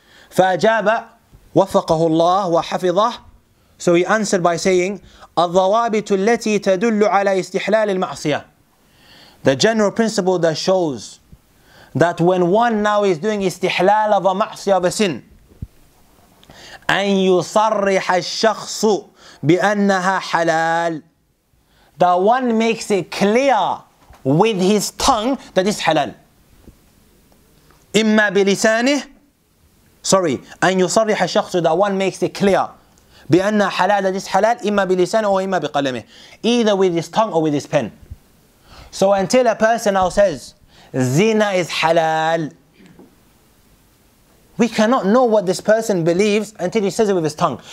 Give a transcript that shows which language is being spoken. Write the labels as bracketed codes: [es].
[ar] فأجاب وفقه الله وحفظه [en] So he answered by saying [ar] الضوابط التي تدل على استحلال المعصية [en] The general principle that shows that when one now is doing istihlal of a ma'asiyah of a sin [ar] أن يصرح الشخص بأنها حلال [en] The one makes it clear with his tongue that it's halal. [ar] إِمَّا بِلِسَانِهِ [en] Sorry. [ar] أَنْ يُصَرِّحَ الشَّخْصُ [en] That one makes it clear. [ar] بِأَنَّ حَلَالَ [en] That it's halal. [ar] إِمَّا بِلِسَانِهِ وَإِمَّا بِقَلَمِهِ [en] Either with his tongue or with his pen. So until a person now says, zina is halal, we cannot know what this person believes until he says it with his tongue.